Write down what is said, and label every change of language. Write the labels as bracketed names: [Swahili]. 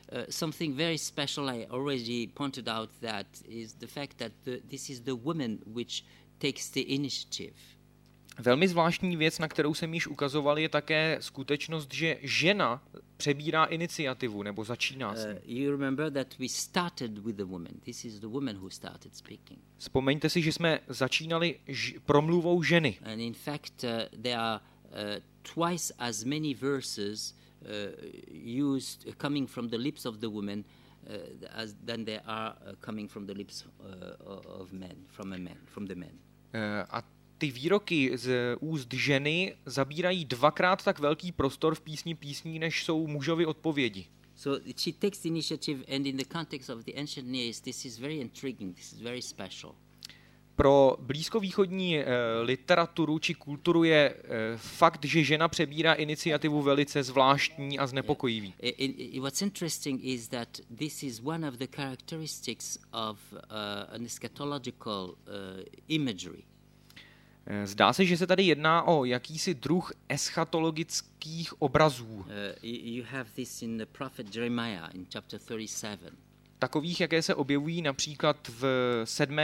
[English] Something very special I already pointed out that is the fact that this is the woman which takes the initiative. [Czech] Velmi zvláštní věc, na kterou jsem již ukazoval, je také skutečnost, že žena přebírá iniciativu nebo začíná s ní. [English] You remember that we started with the woman. This is the woman who started speaking. [Czech] Vzpomeňte si, že jsme začínali promluvou ženy. [English] And in fact there are twice as many verses used coming from the lips of the woman as than there are coming from the lips of men, from a man, from the men. [Czech] A ty výroky z úst ženy zabírají dvakrát tak velký prostor v písní, než jsou mužovy odpovědi. [English] So she takes the initiative, and in the context of the ancient Near East, this is very intriguing, this is very special. [Czech] Pro blízkovýchodní literaturu či kulturu je fakt, že žena přebírá iniciativu, velice zvláštní a znepokojivý. [English] What's interesting is that this is one of the characteristics of an eschatological imagery. [Czech] Zdá se, že se tady jedná o jakýsi druh eschatologických obrazů. [English] You have this in the prophet Jeremiah in chapter 37. [Czech] Takových, jaké se objevují například v 7.